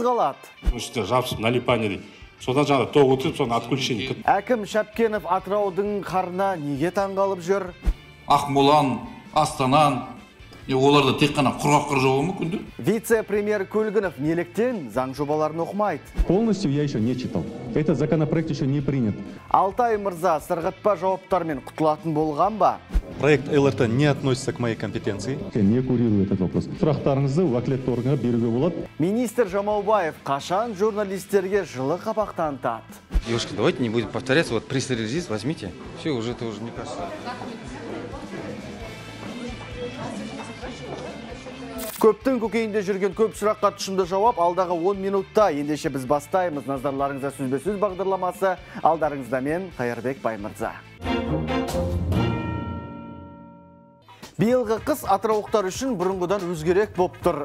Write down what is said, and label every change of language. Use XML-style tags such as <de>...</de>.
<kk>қалады? Содан жаңа тоқ өтіп, соны отключен. Әкім Шапкенов атыраудың қарына неге таңғалып жүр? Ақмолан, Астанан, оларда тек қана құрғақ қыр жауы мүмкін. Вице-премьер Көлгінов неліктен заң жобаларын оқымайды?</kk> <ru>Полностью я еще не читал. Этот законопроект еще не принят.</ru> <kk>Алтай Мырза сырғытпа жауаптармен құтылатын болған ба?</kk> <ru>Проект ЛРТ не относится к моей компетенции. Я не курирую этот вопрос.</ru> <kk>Сұрақтарыңызды уәкілетті органға беруге болады. Министр Жамаубаев қашан журналистерге жылы қабақ танытады?</kk> <ru>Ешкі, давайте не будем повторяться. Вот пресс-релиз возьмите. Все, уже это уже не кажется.</ru> <kk>Көптің көкейінде жүрген көп сұраққа тұшымды жауап алдағы 10 минутта. Ендеше біз бастаймыз. Назарларыңызда сөзбе-сөз бағдарламасы. Алдарыңызда мен Қайырбек Баймырза. Биылғы қыс атыраулықтар үшін бұрынғыдан өзгерек боп тұр.</kk>